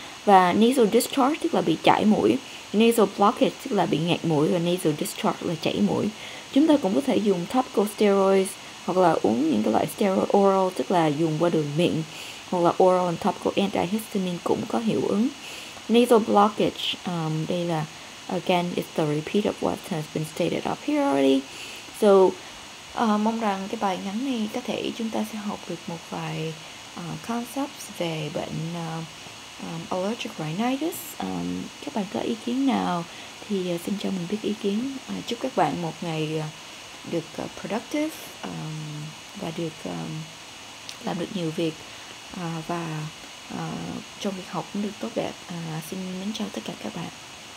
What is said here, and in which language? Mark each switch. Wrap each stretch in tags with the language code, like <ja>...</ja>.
<vi>Và nasal discharge tức là bị chảy mũi, nasal blockage tức là bị nghẹt mũi, và nasal discharge là chảy mũi. Chúng ta cũng có thể dùng topical steroids hoặc là uống những cái loại steroid oral, tức là dùng qua đường miệng, hoặc là oral and topical antihistamine cũng có hiệu ứng.</vi> <en>Nasal blockage,</en> <vi>đây là,</vi> <en>again, it's the repeat of what has been stated up here already.</en> <vi>So, mong rằng cái bài ngắn này có thể chúng ta sẽ học được một vài concepts về bệnh allergic rhinitis. Các bạn có ý kiến nào thì xin cho mình biết ý kiến. Chúc các bạn một ngày được productive và được làm được nhiều việc, và trong việc học cũng được tốt đẹp. Xin mến chào tất cả các bạn.</vi>